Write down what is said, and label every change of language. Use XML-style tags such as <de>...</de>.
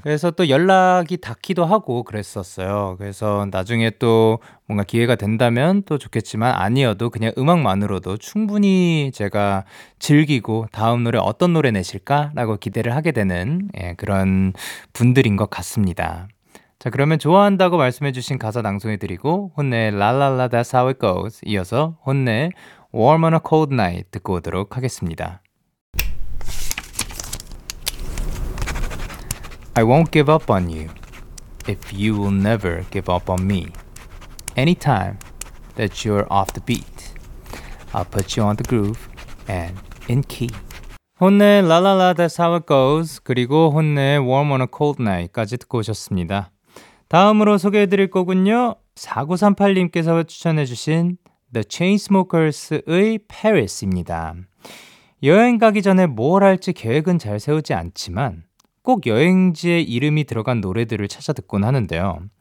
<ko>그래서 또 연락이 닿기도 하고 그랬었어요. 그래서 나중에 또 뭔가 기회가 된다면 또 좋겠지만 아니어도 그냥 음악만으로도 충분히 제가 즐기고 다음 노래 어떤 노래 내실까라고 기대를 하게 되는 예, 그런 분들인 것 같습니다. 자, 그러면 좋아한다고 말씀해주신 가사 낭송해드리고 혼내의 랄랄라 That's How It Goes 이어서 혼내의 Warm on a Cold Night 듣고 오도록 하겠습니다.</ko> <en>I won't give up on you if you will never give up on me. Anytime that you're off the beat. I'll put you on the groove and in key. 혼내 라라라 that's how it goes.</en> <ko>그리고 혼내 warm on a cold night까지 듣고 오셨습니다. 다음으로 소개해드릴 곡은요. 4938님께서 추천해주신 The Chainsmokers의 Paris입니다. 여행 가기 전에 뭘 할지 계획은 잘 세우지 않지만 꼭 여행지에 이름이 들어간 노래들을 찾아 듣곤 하는데요.</ko>